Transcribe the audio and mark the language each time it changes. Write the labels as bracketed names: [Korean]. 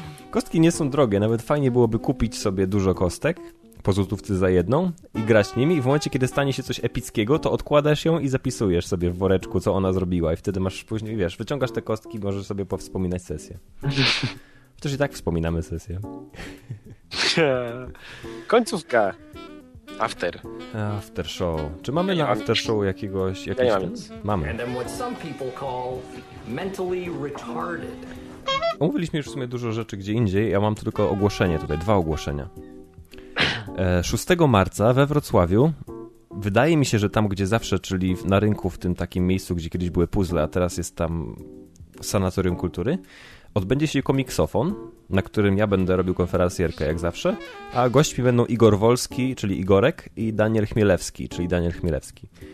[Polish] Kostki nie są drogie, nawet fajnie byłoby kupić sobie dużo kostek po złotówce za jedną i grać nimi i w momencie, kiedy stanie się coś epickiego, to odkładasz ją i zapisujesz sobie w woreczku, co ona zrobiła i wtedy masz później, wiesz, wyciągasz te kostki i możesz sobie powspominać sesję. Przecież i tak wspominamy sesję. Końcówka. After. [English] After show. [Polish] Czy mamy na after show jakiś ja nic. Mamy. [English] And then what some people call mentally retarded. [Polish] Omówiliśmy już w sumie dużo rzeczy gdzie indziej, ja mam tylko ogłoszenie tutaj, dwa ogłoszenia. 6 marca we Wrocławiu, wydaje mi się, że tam gdzie zawsze, czyli na rynku w tym takim miejscu, gdzie kiedyś były puzzle, a teraz jest tam Sanatorium Kultury, odbędzie się komiksofon, na którym ja będę robił konferansjerkę jak zawsze, a gośćmi będą Igor Wolski, czyli Igorek, i Daniel Chmielewski, czyli Daniel Chmielewski.